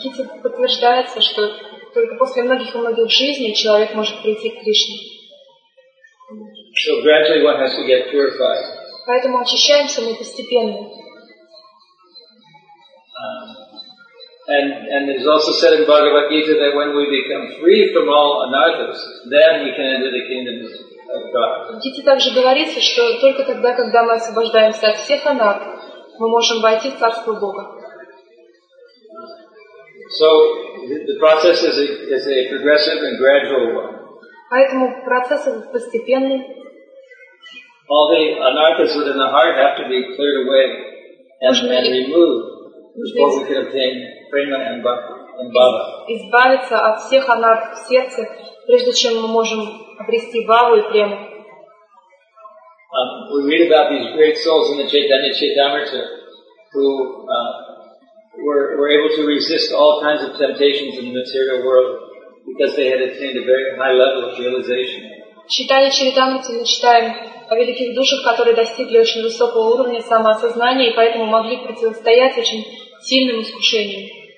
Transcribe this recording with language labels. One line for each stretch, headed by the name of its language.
Russian: Gita подтверждается, что только после многих и многих жизней человек может прийти к Кришне.
English: So gradually one has to get purified.
Russian: Поэтому очищаемся мы постепенно.
English: And it is also said in Bhagavad Gita that when we become free from all anarthas, then we can enter the kingdom of God.
Russian: Гите также говорится, что только тогда, когда мы освобождаемся от всех анарт, мы можем войти в царство Бога.
English: So the process is a progressive and gradual one.
Russian: Поэтому процесс постепенный.
English: All the anarthas within the heart have to be cleared away and removed before we can obtain prema and bhava.
Russian: Избавиться от всех анарт в сердце, прежде чем мы можем обрести бхаву и прему.
English: We read about these great souls in the Chaitanya Chaitamrita who were able to resist all kinds of temptations in the material world because they had attained a very high level of realization.
Russian: Читая Чаритамриту, мы читаем о великих душах, которые достигли очень высокого уровня самоосознания и поэтому могли противостоять очень сильным искушениям.